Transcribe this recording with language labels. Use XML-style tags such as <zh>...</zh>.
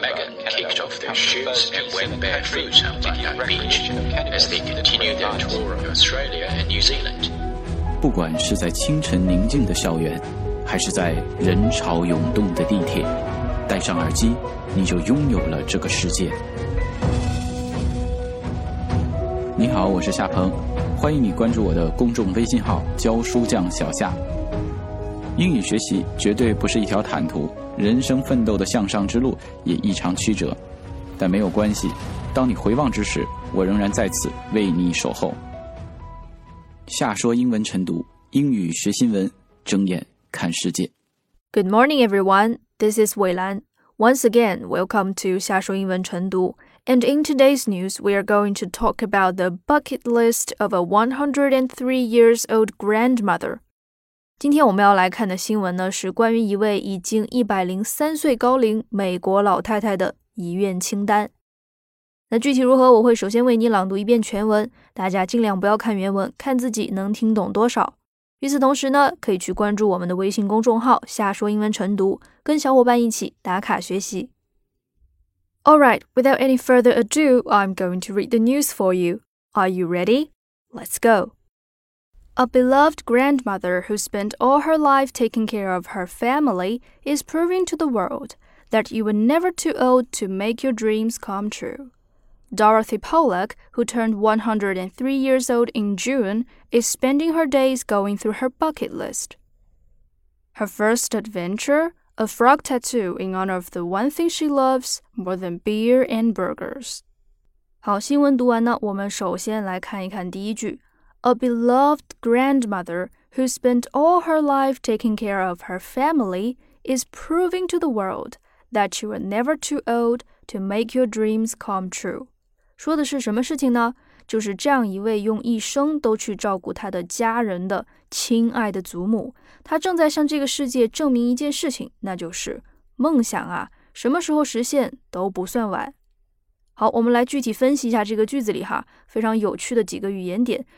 <en>Meghan kicked off their shoes and went barefoot on Bondi Beach as they continued their tour of Australia and New Zealand.</en> <zh>不管是在清晨宁静的校园，还是在人潮涌动的地铁，戴上耳机，你就拥有了这个世界。你好，我是夏鹏，欢迎你关注我的公众微信号“教书匠小夏”。英语学习绝对不是一条坦途，人生奋斗的向上之路也异常曲折，但没有关系，当你回望之时，我仍然在此为你守候。夏说英文晨读，英语学新闻，睁眼看世界。</zh> <en>Good morning, everyone. This is Wei Lan. Once again, welcome to 夏说英文晨读。 And in today's news, we are going to talk about the bucket list of a 103-year-old grandmother.</en> <zh>今天我们要来看的新闻呢，是关于一位已经103岁高龄美国老太太的遗愿清单。那具体如何，我会首先为你朗读一遍全文，大家尽量不要看原文，看自己能听懂多少。与此同时呢，可以去关注我们的微信公众号“瞎说英文晨读”，跟小伙伴一起打卡学习。</zh> <en>All right, without any further ado, I'm going to read the news for you. Are you ready? Let's go. A beloved grandmother who spent all her life taking care of her family is proving to the world that you are never too old to make your dreams come true. Dorothy Pollack, who turned 103 years old in June, is spending her days going through her bucket list. Her first adventure? A frog tattoo in honor of the one thing she loves more than beer and burgers.</en> <zh>好，新闻读完呢，我们首先来看一看第一句。</zh> <en>A beloved grandmother who spent all her life taking care of her family is proving to the world that you are never too old to make your dreams come true.</en> <zh>说的是什么事情呢？就是这样一位用一生都去照顾她的家人的亲爱的祖母，她正在向这个世界证明一件事情，那就是梦想啊，什么时候实现都不算晚。好，我们来具体分析一下这个句子里哈，非常有趣的几个语言点。</zh>